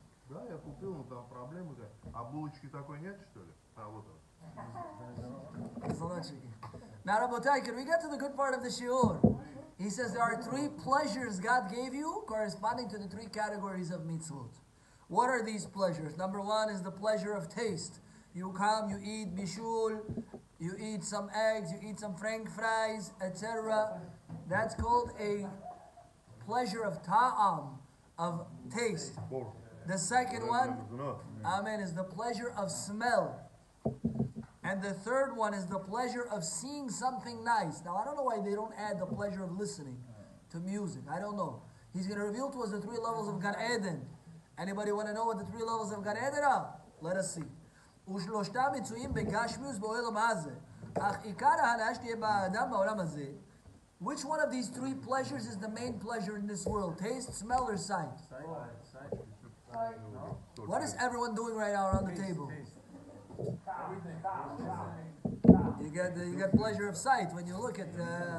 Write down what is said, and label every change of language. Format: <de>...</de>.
<ru>Да, я купил, но там проблемы. Облучки такой нет, что ли? А вот он. Золотчики.</ru> <en>Now, Rabotai, can we get to the good part of the shiur? He says there are three pleasures God gave you corresponding to the three categories of mitzvot. What are these pleasures? Number one is the pleasure of taste. You come, you eat bishul, you eat some eggs, you eat some frank fries, etc. That's called a pleasure of ta'am, of taste. The second one, amen, is the pleasure of smell. And the third one is the pleasure of seeing something nice. Now, I don't know why they don't add the pleasure of listening to music. I don't know. He's going to reveal to us the three levels of Gan Eden. Anybody want to know what the three levels of Gan Eden are? Let us see.</en> <he>ושלושתם מצויים בגשמיוס בעולם הזה. אך עיקר ההנאה שתהיה באדם בעולם הזה.</he> <en>Which one of these three pleasures is the main pleasure in this world? Taste, smell, or sight? Sight. Sight. What is everyone doing right now around the table? Taste. You get pleasure of sight when you look at the...</en>